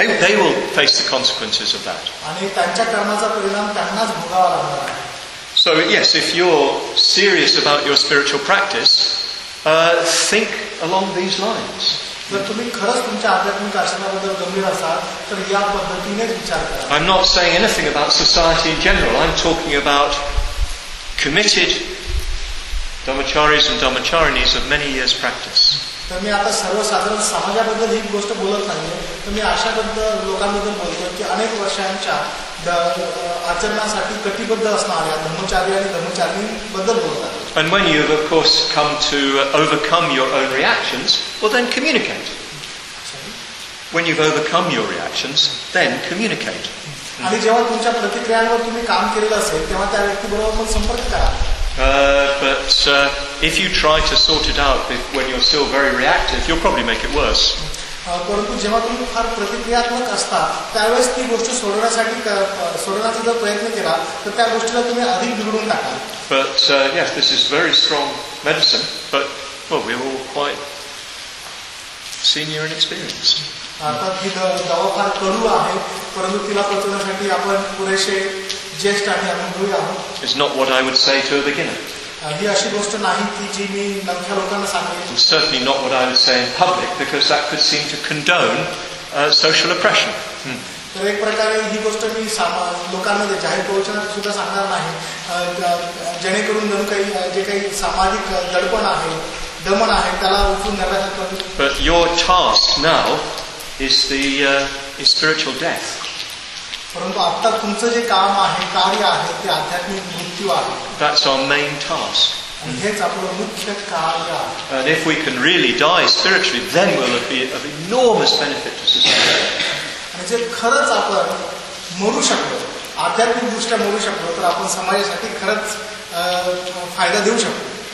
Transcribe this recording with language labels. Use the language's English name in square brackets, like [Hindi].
[Marathi] आणि त्यांच्या कर्माचा परिणाम त्यांनाच भोगावा लागणार आहे. [English] So yes, if you are serious about your spiritual practice think along these lines. [Marathi] जर तुम्ही खरंच तुमच्या आध्यात्मिक आसनाबद्दल गंभीर असाल तर या पद्धतीनेच विचार करा. [English] I am not saying anything about society in general, I am talking about committed brahmacharis and brahmacharinis of many years practice. [Marathi] तर मी आता सर्वसाधारण समाजाबद्दल ही गोष्ट बोलत नाही तर मी अशाबद्दल लोकांबद्दल बोलतोय की अनेक वर्षांच्या आचरणासाठी कटिबद्ध असणाऱ्या ब्रह्मचारी आणि ब्रह्मचारिणींबद्दल बोलतात. [English] And when you have, of course, come to overcome your own reactions, well, then communicate. When you've overcome your reactions, then communicate. [Marathi] आणि जेव्हा तुमच्या प्रतिक्रियांवर तुम्ही काम केलेलं असेल तेव्हा त्या व्यक्तीबरोबर पण संपर्क करा. [English] But if you try to sort it out when you're still very reactive, you'll probably make it worse. [Marathi] परंतु जेव्हा तुम्ही फार प्रतिक्रियात्मक असता त्यावेळेस ती गोष्ट सोडवण्याचा जर प्रयत्न केला तर त्या गोष्टीला तुम्ही अधिक बिघडून टाकाल. [English] But yes, this is very strong medicine, but well, we're all quite senior and experienced. [Marathi] आता ही दवा फार कडू आहे परंतु तिला पचवण्यासाठी आपण पुरेसे ज्येष्ठ आणि अनुभवी आहोत. [English] It's not what I would say to a beginner. [Marathi] ही अशी गोष्ट नाही की जी मी नवख्या लोकांना सांगेन. [English] Certainly not what I would say in public because that could seem to condone social oppression. [Marathi] तर एक प्रकारे ही गोष्ट मी लोकांमध्ये जाहीर प्रवचनात सुद्धा सांगणार नाही जेणेकरून जणू काही जे काही सामाजिक दडपण आहे दमन आहे त्याला उचलून नव्हत. परंतु आता तुमचं जे काम आहे कार्य आहे ते आध्यात्मिक मृत्यू आहे. [English] That's our main task. [Marathi] हेच आपलं मुख्य कार्य आहे. [English] And if we can really die spiritually, then we'll be of enormous benefit to society. [Marathi] आणि जर खरंच आपण मरू शकलो आध्यात्मिक दृष्ट्या मरू शकलो तर आपण समाजासाठी खरंच फायदा देऊ शकतो.